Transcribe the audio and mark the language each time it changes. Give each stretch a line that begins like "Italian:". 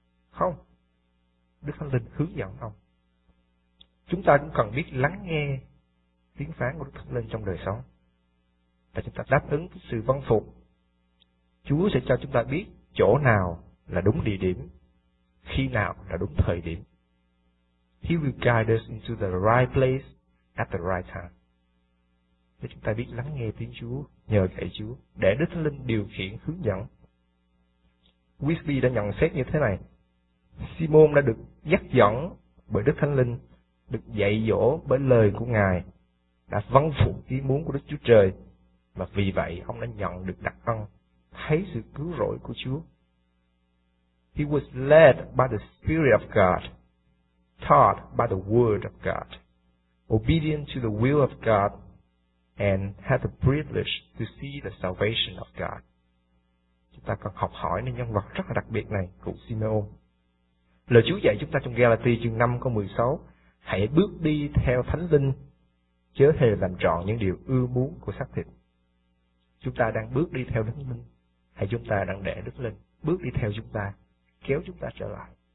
Vietnamese: Không, Đức Thánh Linh hướng dẫn ông. Chúng ta cũng cần biết lắng nghe tiếng phán của Đức Thánh Linh trong đời sống, và chúng ta đáp ứng sự vâng phục. Chúa sẽ cho chúng ta biết chỗ nào là đúng địa điểm, khi nào là đúng thời điểm.
English: He will guide us into the right place at the right time.
Vietnamese: Để chúng ta biết lắng nghe tiếng Chúa, nhờ cậy Chúa, để Đức Thánh Linh điều khiển hướng dẫn. Wisby đã nhận xét như thế này. Simeon đã được dắt dẫn bởi Đức Thánh Linh, được dạy dỗ bởi lời của Ngài, đã vâng phục ý muốn của Đức Chúa Trời, và vì vậy ông đã nhận được đặc ân thấy sự cứu rỗi của Chúa.
English: He was led by the Spirit of God, taught by the Word of God, obedient to the will of God, and had the privilege to see the salvation of God.
Vietnamese: Chúng ta còn học hỏi nên nhân vật rất là đặc biệt này, cụ Simeon. Lời Chúa dạy chúng ta trong Galati chương 5 câu 16, hãy bước đi theo Thánh Linh, chớ hề làm trọn những điều ưa muốn của xác thịt. Chúng ta đang bước đi theo Thánh Linh, hay chúng ta đang để Đức Linh bước đi theo chúng ta, kéo chúng ta trở lại?